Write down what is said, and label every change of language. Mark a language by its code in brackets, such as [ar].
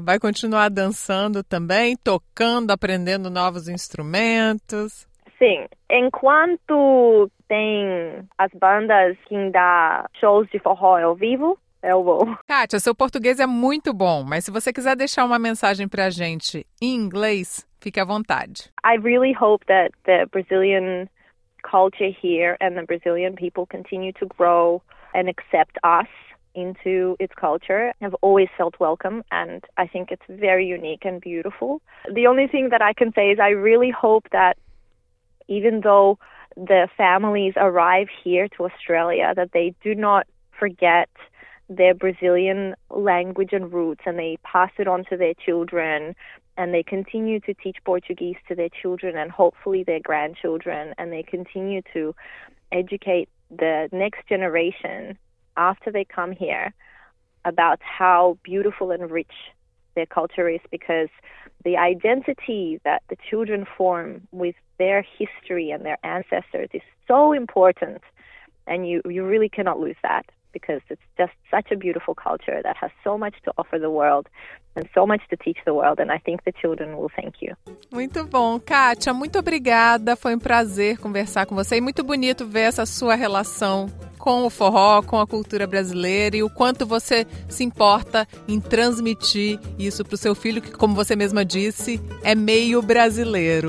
[pt] Vai continuar dançando também, tocando, aprendendo novos instrumentos? Sim, enquanto tem as bandas que dão shows de forró ao vivo, eu vou. Kátia, seu português é muito bom, mas se você quiser deixar uma mensagem pra gente em inglês, fique à vontade. [en] I really hope that the Brazilian culture here and the Brazilian people continue to grow and accept us into its culture. I've always felt welcome and I think it's very unique and beautiful. The only thing that I can say is I really hope that even though the families arrive here to Australia, that they do not forget their Brazilian language and roots, and they pass it on to their children, and they continue to teach Portuguese to their children and hopefully their grandchildren, and they continue to educate the next generation after they come here about how beautiful and rich their culture is because the identity that the children form with their history and their ancestors is so important, and you really cannot lose that because it's just such a beautiful culture that has so much to offer the world and so much to teach the world, and I think the children will thank you. [pt] Muito bom, Kátia, muito obrigada, foi um prazer conversar com você e muito bonito ver essa sua relação com o forró, com a cultura brasileira e o quanto você se importa em transmitir isso para o seu filho, que, como você mesma disse, é meio brasileiro.